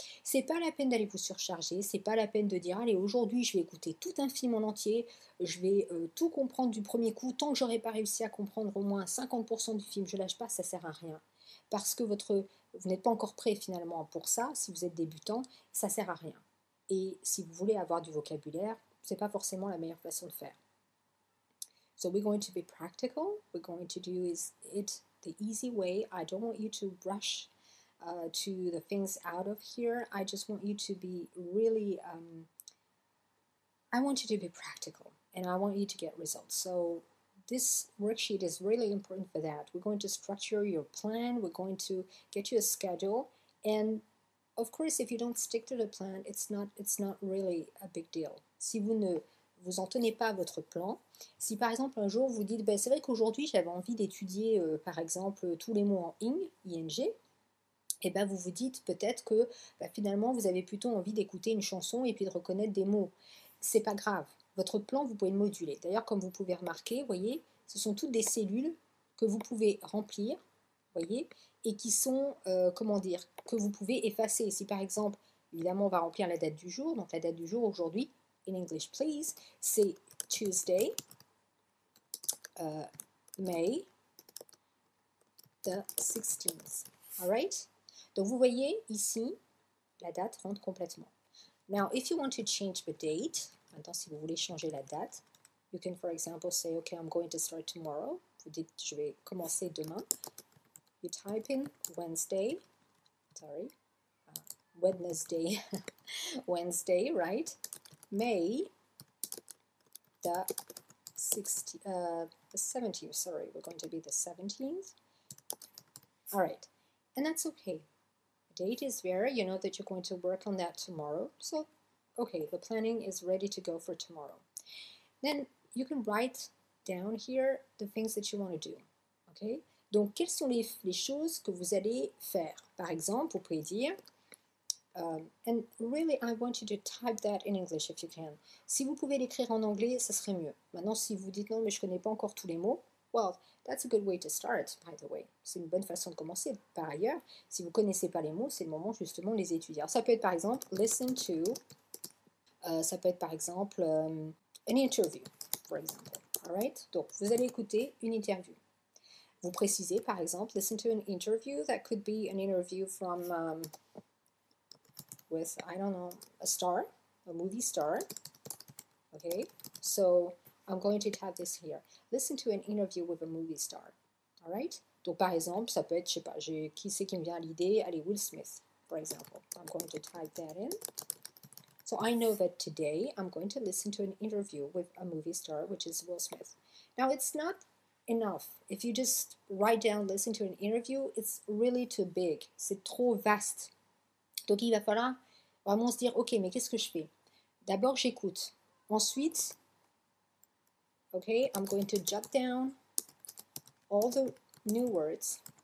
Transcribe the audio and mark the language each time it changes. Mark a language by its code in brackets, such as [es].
[fr] Ce n'est pas la peine d'aller vous surcharger, ce n'est pas la peine de dire « Allez, aujourd'hui, je vais écouter tout un film en entier, je vais tout comprendre du premier coup, tant que je n'aurai pas réussi à comprendre au moins 50% du film, je ne lâche pas, ça ne sert à rien. » Parce que vous n'êtes pas encore prêt finalement pour ça, si vous êtes débutant, ça ne sert à rien. Et si vous voulez avoir du vocabulaire, ce n'est pas forcément la meilleure façon de faire. [en] So we're going to be practical, we're going to do it the easy way. I don't want you to rush to the things out of here. I just want you to be really, I want you to be practical and I want you to get results. So this worksheet is really important for that. We're going to structure your plan, we're going to get you a schedule, and of course, if you don't stick to the plan, it's not really a big deal. [fr] Si vous ne vous en tenez pas à votre plan, si par exemple un jour vous dites, ben, c'est vrai qu'aujourd'hui j'avais envie d'étudier par exemple tous les mots en ing, et ben vous vous dites peut-être que ben, finalement vous avez plutôt envie d'écouter une chanson et puis de reconnaître des mots. C'est pas grave. Votre plan, vous pouvez le moduler. D'ailleurs, comme vous pouvez remarquer, voyez, ce sont toutes des cellules que vous pouvez remplir, voyez, et qui sont, comment dire, que vous pouvez effacer. Si par exemple, évidemment, on va remplir la date du jour, donc la date du jour aujourd'hui, [en] in English please, [fr] c'est [en] Tuesday, May the 16th. All right? [fr] Donc vous voyez ici, la date rentre complètement. [en] Now, if you want to change the date, [fr] maintenant, si vous voulez changer la date, [en] you can, for example, say, OK, I'm going to start tomorrow. [fr] Vous dites, je vais commencer demain. [en] You type in Wednesday, sorry, Wednesday, Wednesday, right? May the 17th, sorry, we're going to be the 17th. All right, and that's OK. The date is there. You know that you're going to work on that tomorrow, so... Okay, the planning is ready to go for tomorrow. Then you can write down here the things that you want to do. Okay? [fr] Donc, quelles sont les choses que vous allez faire? Par exemple, vous pouvez dire, [en] and really, I want you to type that in English if you can. [fr] Si vous pouvez l'écrire en anglais, ça serait mieux. Maintenant, si vous dites non, mais je ne connais pas encore tous les mots, [en] well, that's a good way to start, by the way. [fr] C'est une bonne façon de commencer. Par ailleurs, si vous ne connaissez pas les mots, c'est le moment justement de les étudier. Alors, ça peut être par exemple, [en] listen to. [fr] Ça peut être par exemple [en] an interview, for example. All right? [fr] Donc, vous allez écouter une interview. Vous précisez par exemple, [en] listen to an interview. That could be an interview from with I don't know a star, a movie star. Okay. So I'm going to type this here. Listen to an interview with a movie star. All right? [fr] Donc, par exemple, ça peut être, je sais pas, qui c'est qui me vient à l'idée? Allez, [en] Will Smith. for example. I'm going to type that in. So I know that today I'm going to listen to an interview with a movie star, which is Will Smith. Now, it's not enough. If you just write down, listen to an interview, it's really too big. [fr] C'est trop vaste. Donc, il va falloir vraiment se dire, OK, mais qu'est-ce que je fais? D'abord, j'écoute. Ensuite, [en] OK, I'm going to jot down all the new words.